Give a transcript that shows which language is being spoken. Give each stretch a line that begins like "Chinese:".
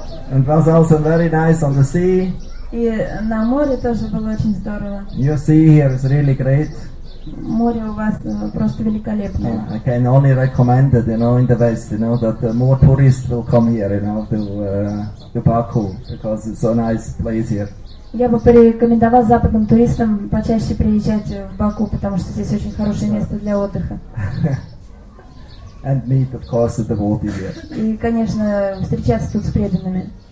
English: And was also very nice on the sea.
Russian: И на море тоже было очень здорово.
English: You see here is really great.
Russian: Море у вас просто великолепное.
English: I can only recommend it, you know, in the West, you know, that more tourists will come here, you know, to Baku, because it's so nice place here.
Russian: Я бы порекомендовал западным туристам почаще приезжать в Баку, потому что здесь очень хорошее место для отдыха.
English: And meet, of course, the devotees here.
Russian: И, конечно, встречаться тут с преданными.